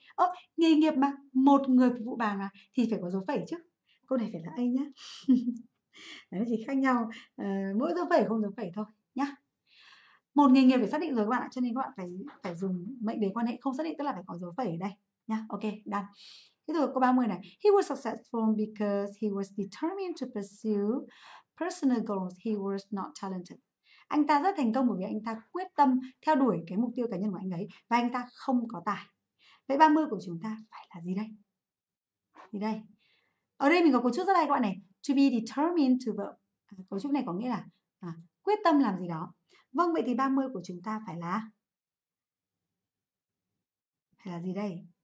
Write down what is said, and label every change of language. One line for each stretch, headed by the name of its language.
Vietnamese: Ơ, nghề nghiệp mà, một người phục vụ bàn mà, thì phải có dấu phẩy chứ. Câu này phải là A nhá. Đấy, chỉ khác nhau mỗi dấu phẩy không dấu phẩy thôi nhá. Một nghề nghiệp phải xác định rồi các bạn ạ. Cho nên các bạn phải dùng mệnh đề quan hệ không xác định, tức là phải có dấu phẩy ở đây nhá. Ok, done. Thế rồi câu 30 này.
English: He was successful because he was determined to pursue personal goals, he was not talented.
Vietnamese: Anh ta rất thành công bởi vì anh ta quyết tâm theo đuổi cái mục tiêu cá nhân của anh ấy và anh ta không có tài. Vậy 30 của chúng ta phải là gì đây? Gì đây? Ở đây mình có cấu trúc rất hay các bạn này.
English: To be determined to verb.
Vietnamese: Cấu trúc này có nghĩa là quyết tâm làm gì đó. Vâng, vậy thì 30 của chúng ta phải là gì đây?